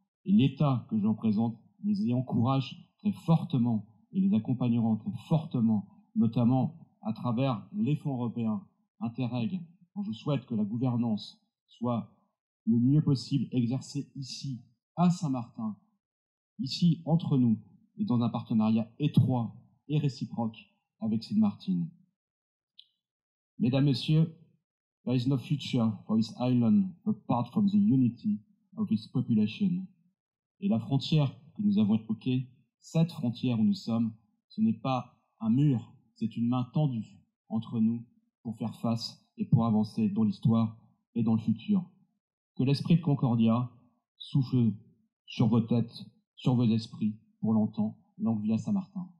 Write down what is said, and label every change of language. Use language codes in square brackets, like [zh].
[fr] Et l'État que je représente les y encourage très fortement et les accompagnera très fortement, notamment à travers les fonds européens Interreg. Je souhaite que la gouvernance soit le mieux possible exercée ici, à Saint-Martin, ici, entre nous, et dans un partenariat étroit et réciproque avec Saint-Martin. Mesdames, Messieurs, [en] there is no future for this island apart from the unity of its population. [fr] Et la frontière que nous avons évoquée, cette frontière où nous sommes, ce n'est pas un mur, c'est une main tendue entre nous pour faire face et pour avancer dans l'histoire et dans le futur. Que l'esprit de Concordia souffle sur vos têtes, sur vos esprits, pour longtemps, longue vie à Saint-Martin.